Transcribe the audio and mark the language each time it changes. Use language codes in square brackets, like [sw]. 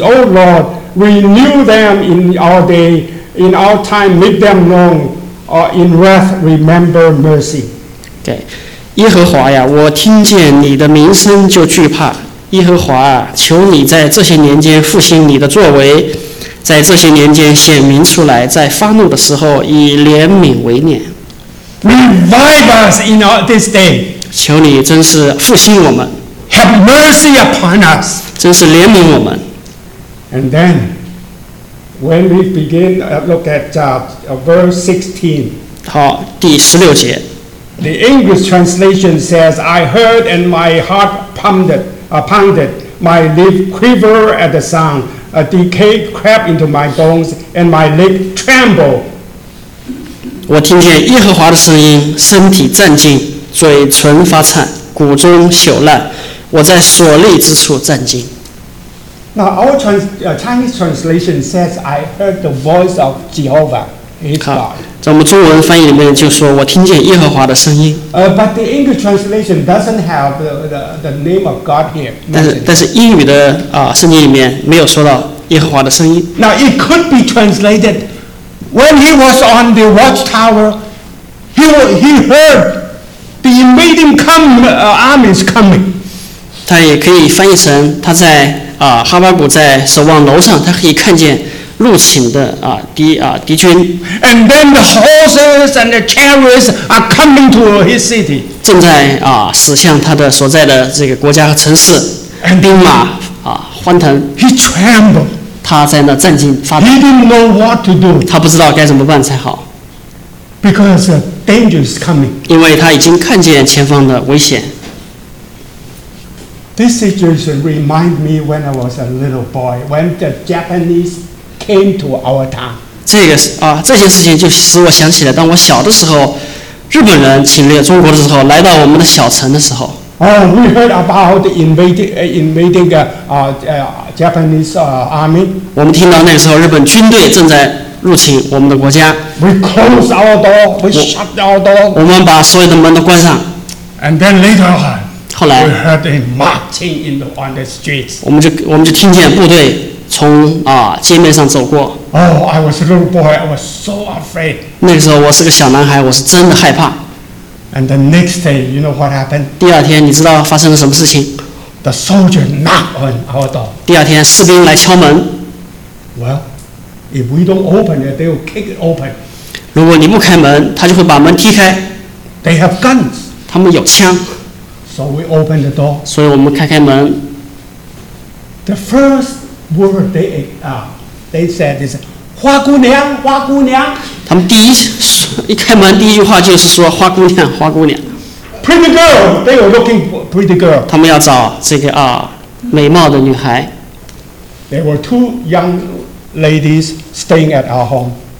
[en] O Lord, renew them in our day, in our time, make them known. In wrath, remember mercy. Okay. [zh] 耶和华呀，我听见你的名声就惧怕。耶和华啊，求你在这些年间复兴你的作为，在这些年间显明出来，在发怒的时候以怜悯为念。 [en] Revive us in this day. [zh] 求你真是复兴我们。 [en] Have mercy upon us. [zh] 真是怜悯我们。 [en] And then, when we begin look at verse 16. [zh] 好，第十六节。 [en] The English translation says, "I heard and my heart pounded." upon it. My lip quiver at the sound. A decay crept into my bones, and my leg tremble. [zh] 我听见耶和华的声音，身体震惊，嘴唇发颤，骨中朽烂，我在所立之处震惊。 [en] Now our Chinese translation says, "I heard the voice of Jehovah." [zh] 好，在我们中文翻译里面就说我听见耶和华的声音。 [en] But the English translation doesn't have the name of God here. [zh] 但是英语的圣经里面没有说到耶和华的声音。 [en] Now it could be translated. When he was on the watchtower, he heard the invading armies coming. [zh] 他也可以翻译成他在哈巴谷在守望楼上，他可以看见入侵的敌军。 [en] And then the horses and the chariots are coming to his city. [zh] 正在驶向他的所在的这个国家和城市，兵马欢腾。 [en] He trembled. [zh] 他在那震惊发抖，他不知道该怎么办才好。 [en] Because danger is coming. [zh] 因为他已经看见前方的危险。 [en] This situation reminds me when I was a little boy, when the Japanese came to our town. [zh] 这件事情就使我想起了当我小的时候，日本人侵略中国的时候，来到我们的小城的时候。 [en] We heard about the invading Japanese army. [zh] 我们听到那个时候日本军队正在入侵我们的国家。 [en] We close our door. We shut our door. [zh] 我们把所有的门都关上。 [en] And then later on, [zh] 后来 [en] we heard them marching on the streets. [zh] 我们就听见部队从街面上走过。 [en] Oh, I was a little boy. I was so afraid. [zh] 那个时候我是个小男孩，我是真的害怕。 [en] And the next day, you know what happened? [zh] 第二天，你知道发生了什么事情？ [en] The soldier knocked on our door. [zh] 第二天，士兵来敲门。 [en] Well, if we don't open it, they will kick it open. [zh] 如果你不开门，他就会把门踢开。 [en] They have guns. [zh] 他们有枪。 [en] So we open the door. [zh] 所以我们开开门。 [en] The first word they said is, [zh] 花姑娘，花姑娘。他们第一开门第一句话就是说花姑娘花姑娘 [en] pretty girl they were looking for pretty girl [zh] 他们要找这个美貌的女孩 [en] there were two young ladies staying at our home